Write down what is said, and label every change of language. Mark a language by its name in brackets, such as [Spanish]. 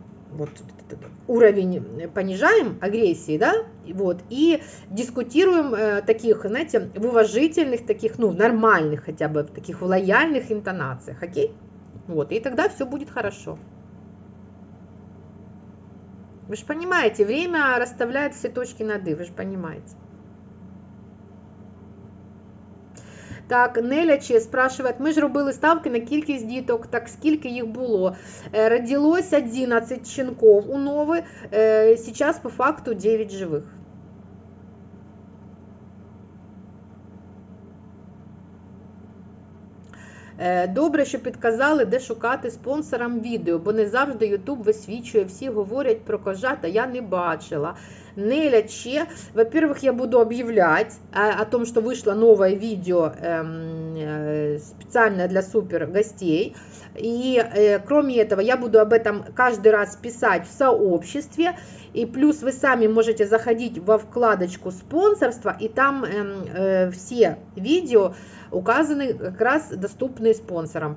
[Russian] вот уровень понижаем агрессии, да, вот, и дискутируем таких, знаете, в уважительных, таких, ну, нормальных хотя бы, таких лояльных интонациях, окей? Вот, и тогда все будет хорошо. Вы же понимаете, время расставляет все точки над «и», вы же понимаете. [Ukrainian] Так, Нелячи спрашивает, мы же робили ставки на кількість діток, так скільки їх було? [Russian] Родилось 11 щенков у Нови, сейчас по факту 9 живих. [Ukrainian] Добре, що підказали, де шукати спонсорам відео, бо не завжди YouTube висвічує, всі говорять про кожат, а я не бачила. [Russian] Нелячи, во-первых, я буду объявлять о том, что вышло новое видео специальное для супер гостей. И кроме этого, я буду об этом каждый раз писать в сообществе. И плюс вы сами можете заходить во вкладочку спонсорства, и там все видео указаны как раз доступные спонсорам.